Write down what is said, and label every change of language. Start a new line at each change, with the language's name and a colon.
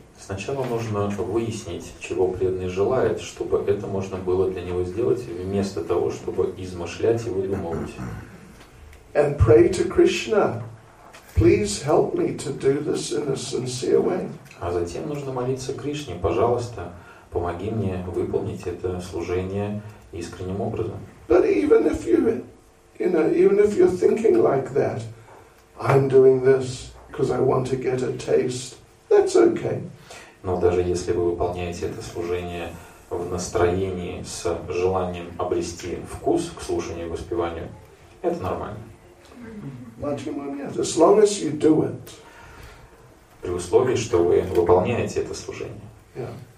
Russian: Сначала нужно выяснить, чего преданный желает, чтобы это можно было для него сделать, вместо того, чтобы измышлять и выдумывать.
English: And pray to Krishna, please help me to do this in a sincere way.
Russian: А затем нужно молиться Кришне, пожалуйста, помоги мне выполнить это служение искренним образом.
English: But even if you, you know, even if you're thinking like that, I'm doing this because I want to get a taste. That's okay.
Russian: Но даже если вы выполняете это служение в настроении с желанием обрести вкус к слушанию и воспеванию, это нормально.
English: As long as you do it.
Russian: При условии, что вы выполняете это служение.